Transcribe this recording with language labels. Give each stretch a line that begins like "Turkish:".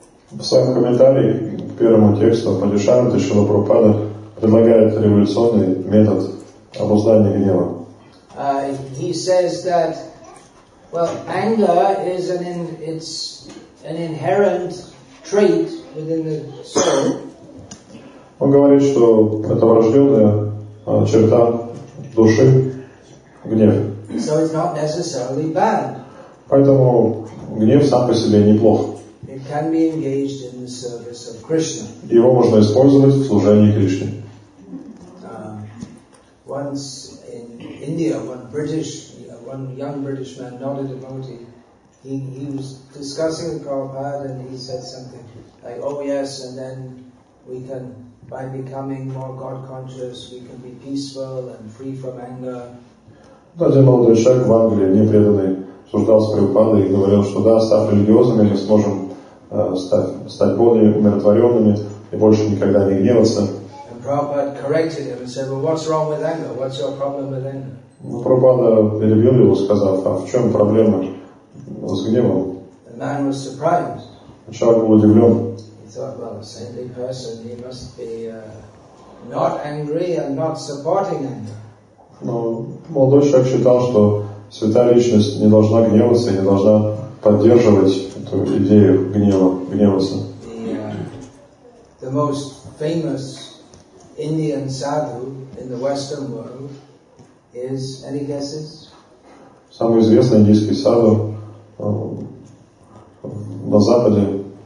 Russian: В своем комментарии к первому тексту Упадешамрита Шрила Прабхупада предлагает революционный метод обуздания гнева.
English: He says that, well, anger is an inherent trait within the soul.
Russian: Он говорит, что это врожденная черта души, гнев.
English: So it's not necessarily bad.
Russian: Поэтому гнев сам по себе неплох.
English: It can be engaged in the service of Krishna.
Russian: Его можно использовать в служении Кришне.
English: Once in India, one young British man, not a devotee, he was discussing with Prabhupada and he said something like, oh yes, and then we can, by becoming more God conscious, we can be peaceful and free from anger.
Russian: Один молодой человек в Англии, непреданный, обсуждал с Прабхупадой и говорил, что да, став религиозными, мы сможем стать более умиротворенными и больше никогда не гневаться.
English: And Prabhupada corrected him and said, well, what's wrong with anger? What's your problem with anger?
Russian: Прабхупада перебил его, сказав, а в чем проблема с гневом?
English: The man was surprised.
Russian: Человек был удивлен.
English: He thought, well, a saintly person, he must be not angry and not supporting anger.
Russian: Но молодой человек считал, что святая личность не должна гневаться и не должна поддерживать эту идею гневаться.
English: The most famous Indian sadhu in the Western world is, any guesses?
Russian: Самый известный индийский саду на Западе.